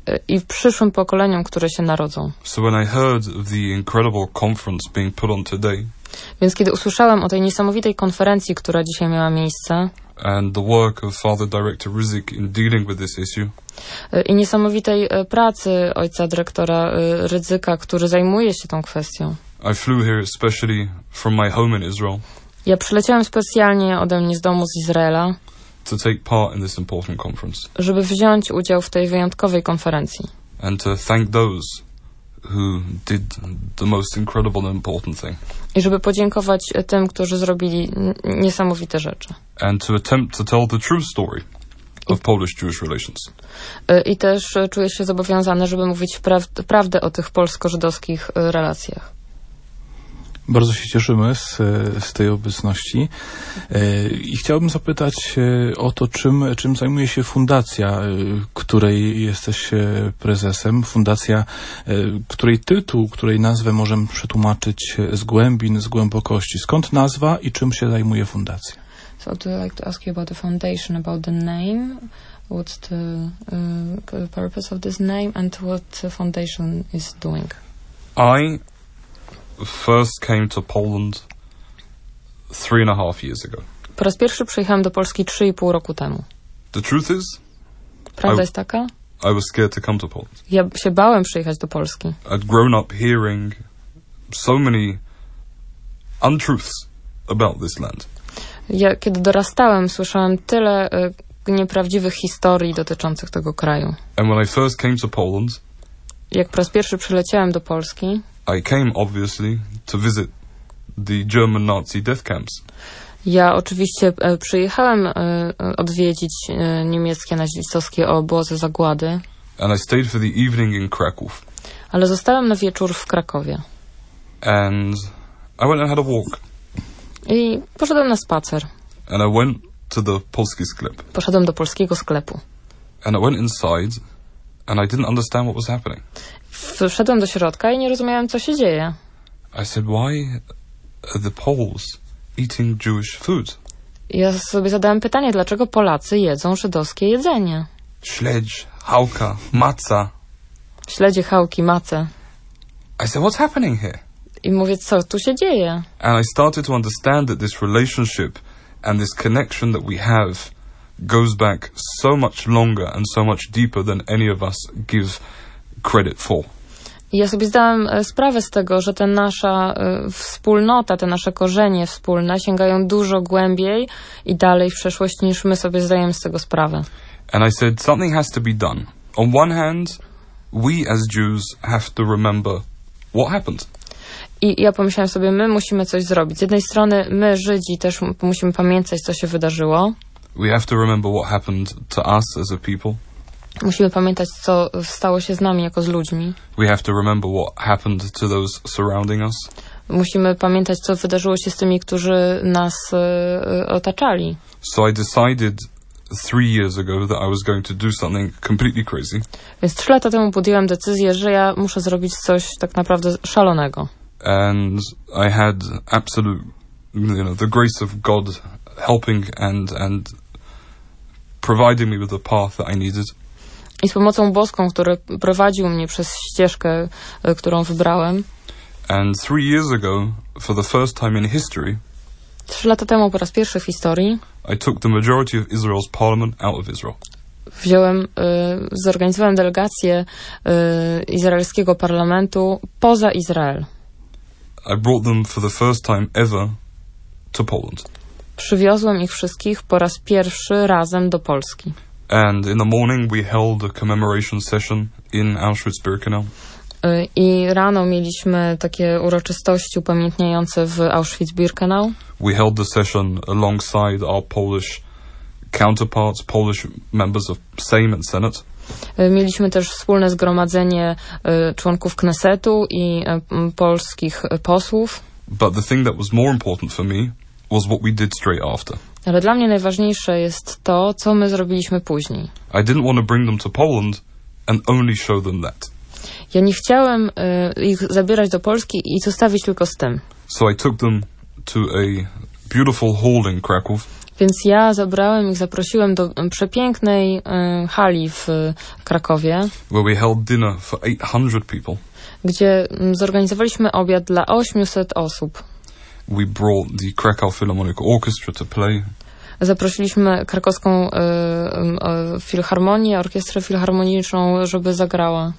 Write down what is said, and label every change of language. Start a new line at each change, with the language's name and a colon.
Polish: I w przyszłym pokoleniom, które się narodzą.
English: So when I heard the incredible conference being put on today,
Polish: więc kiedy usłyszałem o tej niesamowitej konferencji, która dzisiaj miała miejsce,
English: and the work of Father Director Rizik in dealing with this issue,
Polish: i niesamowitej pracy ojca dyrektora Rydzyka, który zajmuje się tą kwestią,
English: I flew here especially from my home in Israel.
Polish: Ja przyleciałem specjalnie ode mnie z domu z Izraela,
English: to take part in this important conference.
Polish: Żeby wziąć udział w tej wyjątkowej konferencji.
English: And to thank those who did the most incredible and important thing.
Polish: I żeby podziękować tym, którzy zrobili niesamowite rzeczy.
English: And to attempt to tell the true story of Polish-Jewish relations.
Polish: I też czuję się zobowiązany, żeby mówić prawdę o tych polsko-żydowskich relacjach. Bardzo się cieszymy z tej obecności. I chciałbym zapytać o to, czym zajmuje się fundacja, której jesteś prezesem. Fundacja, której tytuł, której nazwę możemy przetłumaczyć z głębin, z głębokości. Skąd nazwa i czym się zajmuje fundacja?
English: So, I'd like to ask you about the foundation, about the name. What's the purpose of this name and what the foundation is doing? I first came to Poland 3.5 years ago.
Polish: Po raz pierwszy przyjechałem do Polski 3.5 roku temu.
English: The truth is,
Polish: prawda jest taka?
English: I was scared to come to Poland.
Polish: Ja się bałem przyjechać do Polski.
English: I'd grown up hearing so many untruths about this land.
Polish: Ja kiedy dorastałem, słyszałem tyle nieprawdziwych historii dotyczących tego kraju.
English: And when I first came to Poland,
Polish: jak po raz pierwszy przyleciałem do Polski,
English: I came obviously to visit the German Nazi death camps.
Polish: Ja oczywiście przyjechałem odwiedzić niemieckie nazistowskie obozy zagłady.
English: And I stayed for the evening in Kraków.
Polish: Ale zostałem na wieczór w Krakowie.
English: And I went and had a walk.
Polish: I poszedłem na spacer.
English: And I went to the
Polish: polski sklep. Poszedłem do polskiego sklepu.
English: And I went inside and I didn't understand what was happening.
Polish: Wszedłem do środka i nie rozumiałem, co się dzieje.
English: I said, why are the Poles eating Jewish food?
Polish: Ja sobie zadałem pytanie, dlaczego Polacy jedzą żydowskie jedzenie? Śledź, chałka, maca. Śledzie, chałki, mace.
English: I said, what's happening here?
Polish: I mówię, co tu się dzieje?
English: And I started to understand that this relationship and this connection that we have goes back so much longer and so much deeper than any of us give credit for.
Polish: Ja sobie zdałem sprawę z tego, że ta nasza wspólnota, te nasze korzenie wspólne sięgają dużo głębiej i dalej w przeszłość, niż my sobie zdajemy z tego sprawę.
English: And I said, something has to be done. On one hand, we as Jews have to remember what happened.
Polish: I ja pomyślałem sobie, my musimy coś zrobić. Z jednej strony, my Żydzi też musimy pamiętać, co się wydarzyło.
English: We have to remember what happened to us as a people.
Polish: Musimy pamiętać, co stało się z nami jako z ludźmi.
English: We have to remember what happened to those surrounding us.
Polish: Musimy pamiętać, co wydarzyło się z tymi, którzy nas otaczali.
English: So I decided 3 years ago that I was going to do something completely crazy.
Polish: Więc 3 lata temu podjąłem decyzję, że ja muszę zrobić coś tak naprawdę szalonego.
English: And I had absolute, you know, the grace of God helping and providing me with the path that I needed.
Polish: I z pomocą boską, który prowadził mnie przez ścieżkę, którą wybrałem.
English: And 3 years ago, for the first time in history,
Polish: 3 lata temu, po raz pierwszy w historii,
English: I took the majority of Israel's parliament out of Israel.
Polish: Wziąłem, zorganizowałem delegację izraelskiego parlamentu poza Izrael.
English: I brought them for the first time ever to Poland.
Polish: Przywiozłem ich wszystkich po raz pierwszy razem do Polski.
English: And in the morning we held a commemoration session in Auschwitz-Birkenau.
Polish: I rano mieliśmy takie uroczystości upamiętniające w Auschwitz-Birkenau.
English: We held the session alongside our Polish counterparts, Polish members of Sejm and Senate.
Polish: Mieliśmy też wspólne zgromadzenie członków Knesetu i polskich posłów.
English: But the thing that was more important for me was what we did straight after.
Polish: Ale dla mnie najważniejsze jest to, co my zrobiliśmy później.
English: I didn't want to bring them to Poland and only show them that.
Polish: Ja nie chciałem ich zabierać do Polski i zostawić tylko z tym.
English: So I took them to a beautiful hall in Krakow.
Polish: Więc ja zabrałem ich, zaprosiłem do przepięknej hali w Krakowie,
English: where we held dinner for 800 people.
Polish: Gdzie zorganizowaliśmy obiad dla 800 osób.
English: We brought the Krakow Philharmonic Orchestra to play.
Polish: Zaprosiliśmy krakowską filharmonię, orkiestrę filharmoniczną, żeby zagrała.